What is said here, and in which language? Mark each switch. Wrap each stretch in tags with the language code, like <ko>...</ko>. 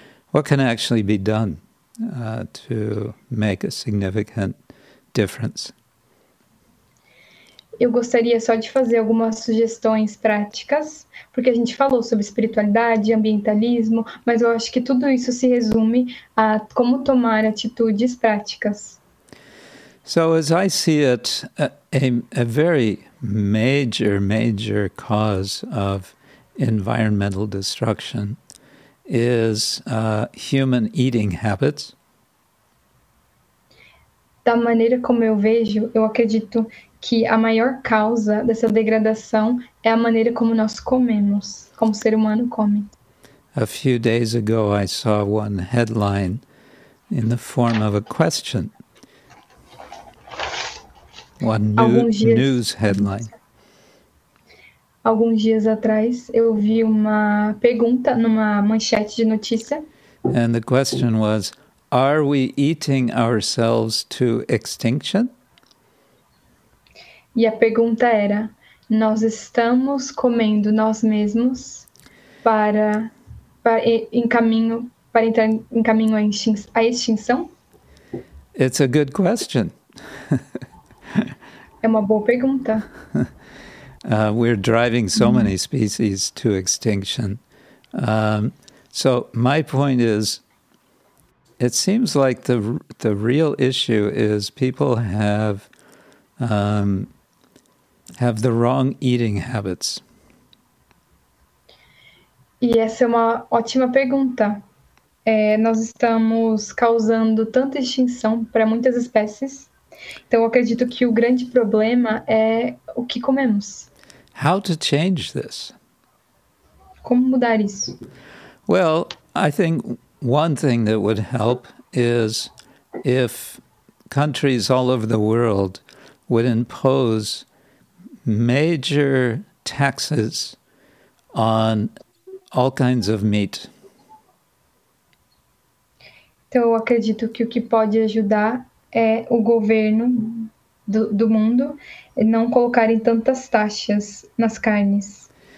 <en>What can actually be done to make a significant difference?</en> <pt>Eu gostaria só de fazer algumas sugestões práticas, porque a gente falou sobre espiritualidade, ambientalismo, mas eu acho que tudo isso se resume a como tomar atitudes práticas.</pt> <en>So, as I see it, a very major, major cause of environmental destruction is human eating habits.</en> <pt>Da maneira como eu vejo, eu acredito que a maior causa dessa degradação é a maneira como nós comemos, como o ser humano come.</pt> <en>A few days ago, I saw one headline in the form of a question. One news headline.</en> <pt>Alguns dias atrás, eu vi uma pergunta numa manchete de notícia.</pt> <en>And the question was, are we eating ourselves to extinction?</en> <pt>E a pergunta era, nós estamos comendo nós mesmos para entrar em caminho à extinção?</pt> <en>It's a good question.</en> <pt>É uma boa pergunta.</pt> <en>We're driving so many species to extinction. So my point is, it seems like the real issue is people have the wrong eating habits.</en> <pt>E essa é uma ótima pergunta. Nós estamos causando tanta extinção para muitas espécies. Então, eu acredito que o grande problema é o que comemos.</pt> <en>How to change this?</en> <pt>Como mudar isso?</pt> <en>Well, I think one thing that would help is if countries all over the world would impose major taxes on all kinds of meat.</en> <pt>Então, eu acredito que o que pode ajudar é o governo do mundo não colocarem tantas taxas nas carnes.</pt>